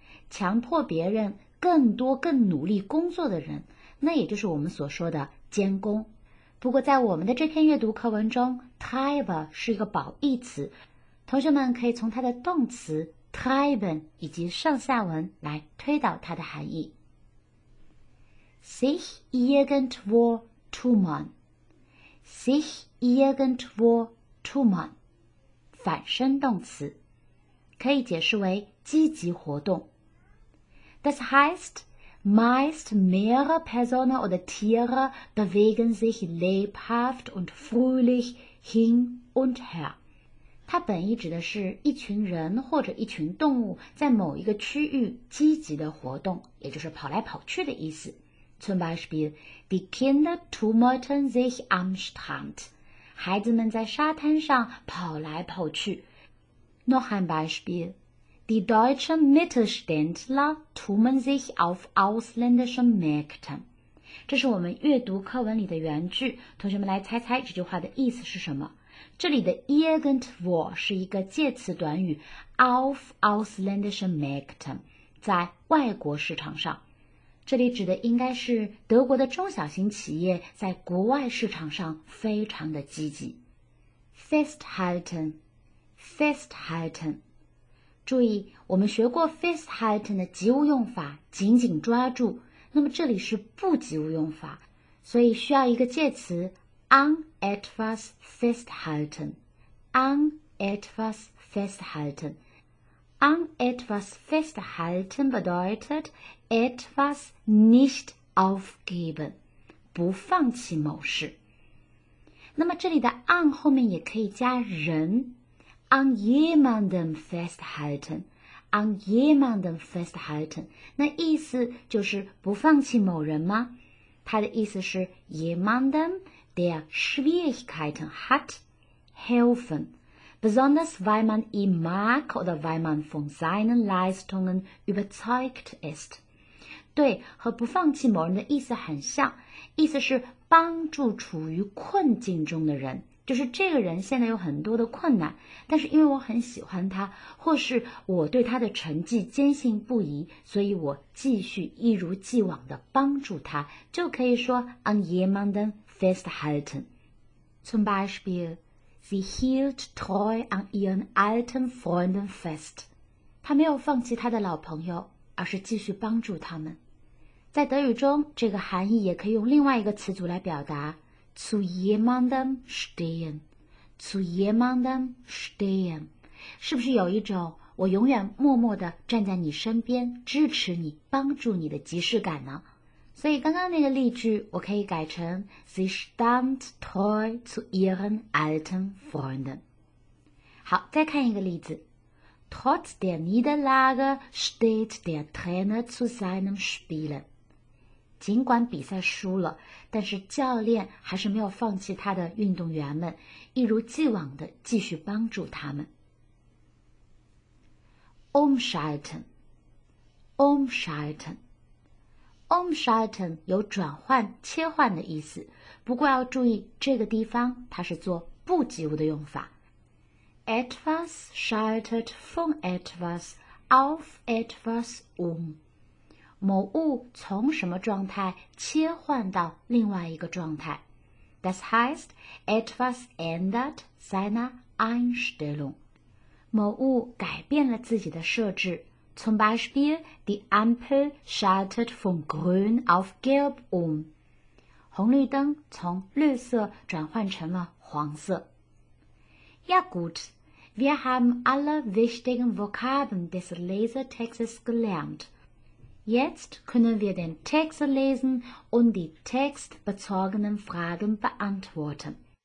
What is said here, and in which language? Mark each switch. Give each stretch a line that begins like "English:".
Chinese: 强迫别人更多更努力工作的人，那也就是我们所说的监工。不过在我们的这篇阅读课文中， Treiber 是一个褒义词，同学们可以从它的动词 treiben 以及上下文来推导它的含义。
German: Sich irgendwo tummeln, sich irgendwo tummeln,
Chinese: 反身动词，可以解释为积极活动。
German: Das heißt, meist mehrere Personen oder Tiere bewegen sich lebhaft und fröhlich hin und her.
Chinese: 它本意指的是一群人或者一群动物在某一个区域积极的活动，也就是跑来跑去的意思。
German: Zum Beispiel, die Kinder tummelten sich am Strand.
Chinese: 孩子们在沙滩上跑来跑去。
German: Noch ein Beispiel, die deutschen Mittelständler tummeln sich auf ausländischen Märkten.
Chinese: 这是我们阅读课文里的原句，同学们来猜猜这句话的意思是什么。这里的 irgendwo 是一个介词短语
German: auf ausländischen Märkten
Chinese: 在外国市场上，这里指的应该是德国的中小型企业在国外市场上非常的积极。
German: festhalten festhalten，
Chinese: 注意我们学过 festhalten 的及物用法紧紧抓住，那么这里是不及物用法，所以需要一个介词
German: an etwas festhalten, an etwas festhalten, an etwas festhalten bedeutet etwas nicht aufgeben,
Chinese: 不放弃某事。那么这里的 an 后面也可以加人，
German: an jemandem festhalten, an jemandem festhalten,
Chinese: 那意思就是不放弃某人吗？它的意思是
German: jemandem,der Schwierigkeiten hat, helfen, besonders weil man ihn mag oder weil man von seinen Leistungen überzeugt ist.
Chinese: 对，和不放弃某人的意思很像，意思是帮助处于困境中的人，就是这个人现在有很多的困难，但是因为我很喜欢他，或是我对他的成绩坚信不疑，所以我继续一如既往地帮助他，就可以说
German: an jemanden festhalten. Zum Beispiel, sie hielt treu an ihren alten Freunden fest.
Chinese: 他没有放弃他的老朋友，而是继续帮助他们。在德语中，这个含义也可以用另外一个词组来表达。
German: Zu jemandem stehen, zu jemandem stehen,
Chinese: 是不是有一种我永远默默地站在你身边支持你帮助你的即视感呢？所以刚刚那个例句我可以改成
German: Sie stand treu zu ihren alten Freunden.
Chinese: 好，再看一个例子。
German: Trotz der Niederlage steht der Trainer zu seinem Spielen.
Chinese: 尽管比赛输了，但是教练还是没有放弃他的运动员们，一如既往地继续帮助他们。
German: Umschalten,
Chinese: umschalten, umschalten 有转换、切换的意思，不过要注意这个地方它是做不及物的用法。
German: Etwas schaltet von etwas auf etwas um.
Chinese: 某物从什么状态切换到另外一个状态。
German: Das heißt, etwas ändert seine Einstellung.
Chinese: 某物改变了自己的设置。
German: Zum Beispiel, die Ampel schaltet von grün auf gelb um.
Chinese: 红绿灯从绿色转换成了黄色。
German: Ja gut, wir haben alle wichtigen Vokabeln des Lesetextes gelernt. Jetzt können wir den Text lesen und die textbezogenen Fragen beantworten.